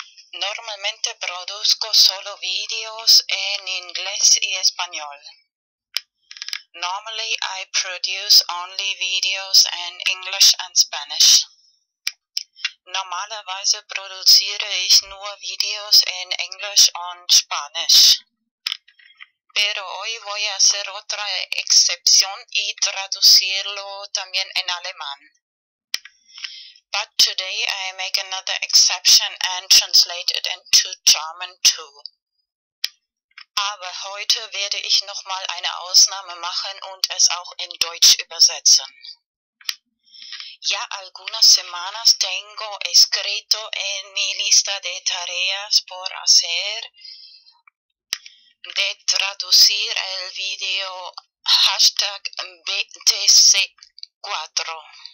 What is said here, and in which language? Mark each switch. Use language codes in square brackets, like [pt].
[es] Normalmente produzco solo videos in inglés y español. [en] Normally I produce only videos in English and Spanish. [de] Normalerweise produziere ich nur Videos in Englisch und Spanisch. [es] Pero hoy voy a hacer otra excepción y traducirlo también en alemán. [en] But today I make another exception and translate it into German too. [de] Aber heute werde ich nochmal eine Ausnahme machen und es auch in Deutsch übersetzen. [es] Ya algunas semanas tengo escrito en mi lista de tareas por hacer de traducir el video hashtag BTC4.